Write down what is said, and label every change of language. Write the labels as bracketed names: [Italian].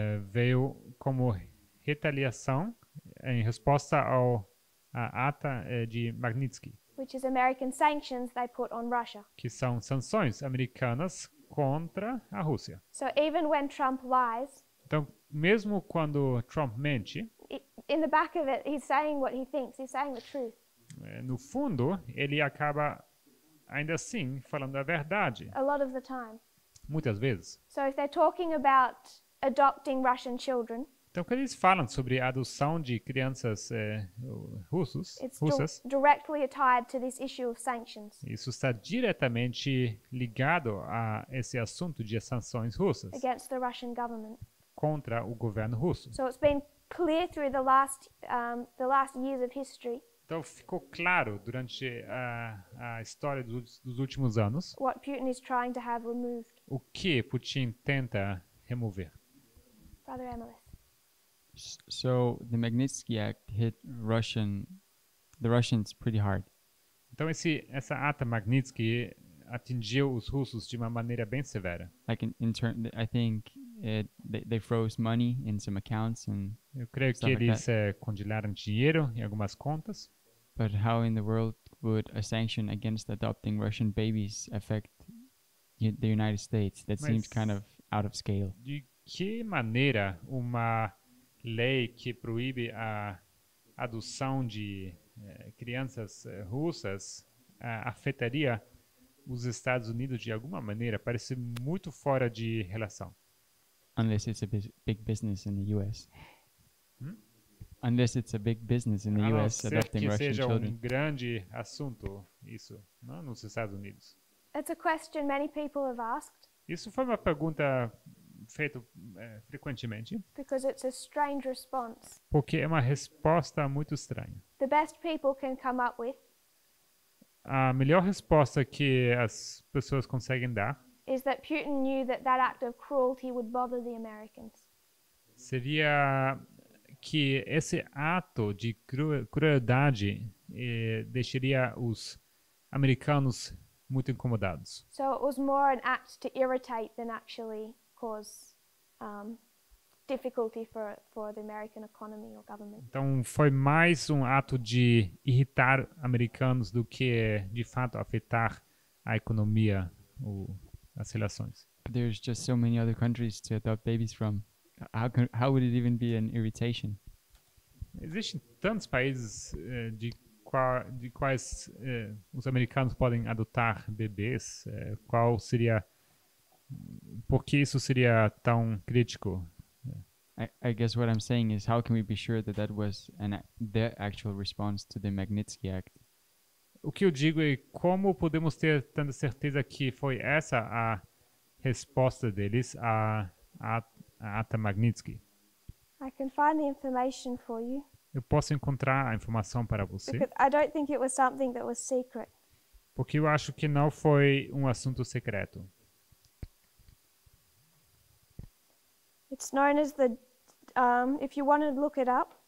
[Portuguese] Veio como retaliação em resposta ao a ata de Magnitsky. [English] Which is American sanctions they put on Russia. [Portuguese] Que são sanções americanas contra a Rússia. [English] So even when Trump lies. [Portuguese] Então, mesmo quando Trump mente. [English] In the back of it, he's saying what he thinks. He's saying the truth. [Portuguese] No fundo, ele acaba ainda assim falando a verdade. [English] A lot of the time. [Portuguese] Muitas vezes. [English] So if they're talking about adopting Russian children. [Portuguese] Então, quando eles falam sobre a adoção de crianças russas, [English] directly tied to this issue of sanctions. [Portuguese] Isso está diretamente ligado a esse assunto de sanções russas [English] against the Russian government. [Portuguese] Contra o governo russo. [English] So it's been clear through the last years of history. [Portuguese] Então, ficou claro durante a história dos últimos anos [English] what Putin is trying to have removed. [Portuguese] O que Putin tenta remover. [English] Brother Emilis. So the Magnitsky Act hit the Russians pretty hard. [Portuguese] Então essa ata Magnitsky atingiu os russos de uma maneira bem severa. [English] Like I think they froze money in some accounts and [Portuguese] eu creio [English] stuff [Portuguese] que [English] like [Portuguese] eles congelaram dinheiro em algumas contas. [English] But how in the world would a sanction against adopting Russian babies affect the United States? That [Portuguese] Mas [English] seems kind of out of scale. [Portuguese] De que maneira uma lei que proíbe a adoção de crianças russas afetaria os Estados Unidos de alguma maneira? Parece muito fora de relação. [English] Unless it's a big business in the U.S. Unless it's a big business in the U.S. adopting Russian children. [Portuguese] A não ser que seja um grande assunto isso, não, nos Estados Unidos. [English] It's a question many people have asked. [Portuguese] Isso foi uma pergunta feita frequentemente. [English] Because it's a strange response. [Portuguese] Porque é uma resposta muito estranha. [English] The best people can come up with. [Portuguese] A melhor resposta que as pessoas conseguem dar [English] is that Putin knew that that act of cruelty would bother the Americans. [Portuguese] Seria que esse ato de crueldade deixaria os americanos muito incomodados. [English] So it was more an act to irritate than actually cause difficulty for the American economy or government. [Portuguese] Então foi mais um ato de irritar americanos do que de fato afetar a economia ou as relações. [English] There's just so many other countries to adopt babies from. How would it even be an irritation? [Portuguese] Existem tantos países de quais os americanos podem adotar bebês. Qual seria? Por que isso seria tão crítico? [English] I guess what I'm saying is, how can we be sure that that was the actual response to the Magnitsky Act? [Portuguese] O que eu digo é, como podemos ter tanta certeza que foi essa a resposta deles à ata Magnitsky? [English] I can find the information for you. [Portuguese] Eu posso encontrar a informação para você. [English] Because I don't think it was something that was secret. [Portuguese] Porque eu acho que não foi um assunto secreto. [English] It's known as the if you want to look it up.